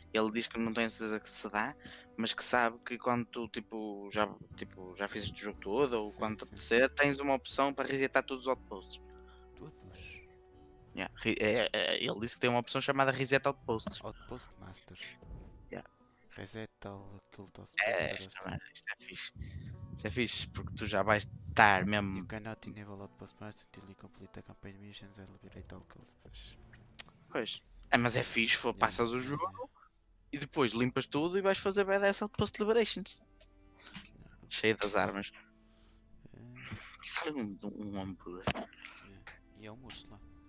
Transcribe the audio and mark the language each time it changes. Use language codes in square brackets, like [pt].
[pt] Ele diz que não tem certeza que se dá, mas que sabe que quando tu tipo, já fizeste o jogo todo, ou sim, quando te apetecer, tens uma opção para resetar todos os outposts. Todos? [en] Yeah. [pt] Ele disse que tem uma opção chamada Reset Outposts. [en] Outpost Master. Yeah. Reset all kill to [pt] isto é fixe. Isso é fixe, porque tu já vais estar mesmo. [en] You cannot enable Outpost Master until you complete the campaign missions and liberate all kills. [pt] Pois. É, mas é fixe, foi, passas o jogo e depois limpas tudo e vais fazer [en] badass outpost liberations. [pt] Cheio das armas. Sai um homem. E é um urso lá.